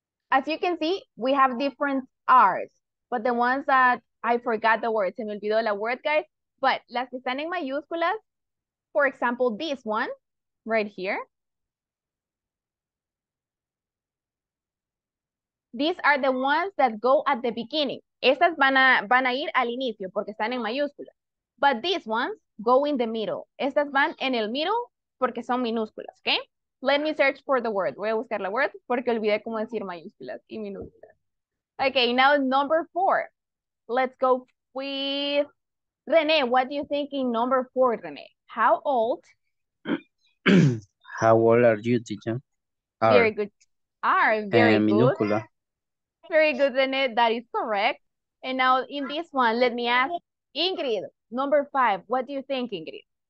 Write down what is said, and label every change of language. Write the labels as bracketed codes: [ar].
[en] As you can see, we have different R's, but the ones that I forgot the word, se me olvidó la word, guys, but las que están en mayúsculas, for example, this one right here. These are the ones that go at the beginning. [es] Estas van a ir al inicio porque están en mayúsculas. But these ones go in the middle. Estas van en el middle porque son minúsculas, okay? Let me search for the word. Voy a buscar la word porque olvidé cómo decir mayúsculas y minúsculas. [en] Okay, now number four. Let's go with René. What do you think in number four, René? How old? How old are you, teacher? Very good. Are, very good. [es] Minúscula. [en] Very good, Zenith. That is correct. And now in this one, let me ask Ingrid, number five, what do you think, Ingrid?